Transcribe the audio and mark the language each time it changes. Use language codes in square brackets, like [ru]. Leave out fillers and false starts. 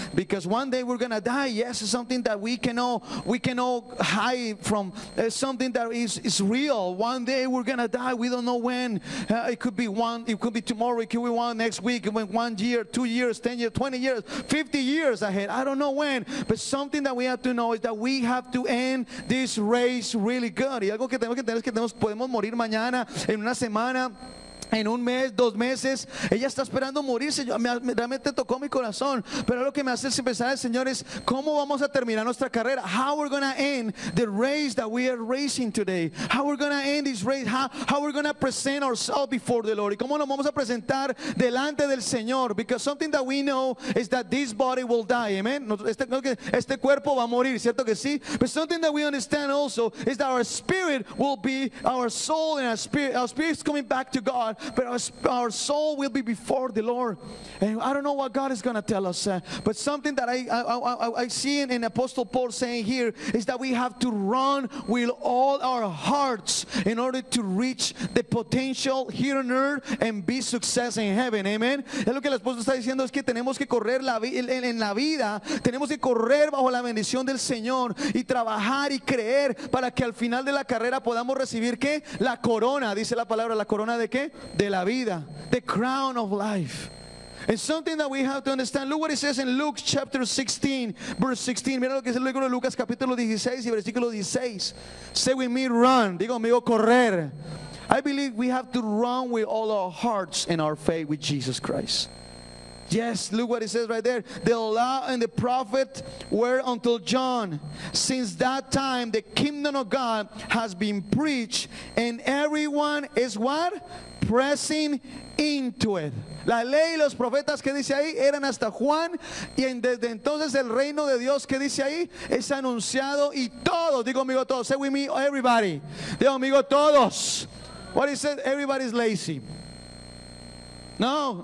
[en] Because one day we're going to die. Yes, it's something that we cannot hide from. It's something that is real. One day we're going to die. We don't know when. It could be one. It could be tomorrow. It could be one next week. It could be 1 year, 2 years, 10 years, 20 years. 50 years ahead. I don't know when, but something that we have to know is that we have to end this race really good. [es] Y algo que tenemos que tener es que podemos morir mañana, en una semana, en un mes, dos meses. Ella está esperando morirse. Realmente tocó mi corazón. Pero lo que me hace pensar, señores, ¿cómo vamos a terminar nuestra carrera? [en] How we're going to end the race that we are racing today? How we're going to end this race? How we're going to present ourselves before the Lord? [es] ¿Y cómo nos vamos a presentar delante del Señor? [en] Because something that we know is that this body will die. Amen. [es] Este cuerpo va a morir, ¿cierto que sí? [en] But something that we understand also is that our spirit will be our soul, and our spirit. Our spirit is coming back to God. But our soul will be before the Lord, and I don't know what God is going to tell us. But something that I see in Apostle Paul saying here is that we have to run with all our hearts in order to reach the potential here on earth and be success in heaven. Amen. [es] Es lo que el apóstol está diciendo, es que tenemos que correr en la vida, tenemos que correr bajo la bendición del Señor y trabajar y creer para que al final de la carrera podamos recibir qué, la corona. Dice la palabra, la corona de qué. De la vida, [en] the crown of life. It's something that we have to understand. Look what it says in Luke chapter 16, verse 16. [es] Mira lo que dice el libro de Lucas, capítulo 16 y versículo 16. [en] Say with me, run. [es] Digo conmigo, correr. [en] I believe we have to run with all our hearts in our faith with Jesus Christ. Yes, look what it says right there. The law and the prophet were until John. Since that time, the kingdom of God has been preached, and everyone is what? Pressing into it. [es] La ley y los profetas, que dice ahí, eran hasta Juan, y desde entonces el reino de Dios, que dice ahí, es anunciado, y todos, digo amigo todos, [en] say with me, everybody, [es] digo amigo todos. What is it? [en] Everybody's lazy. No.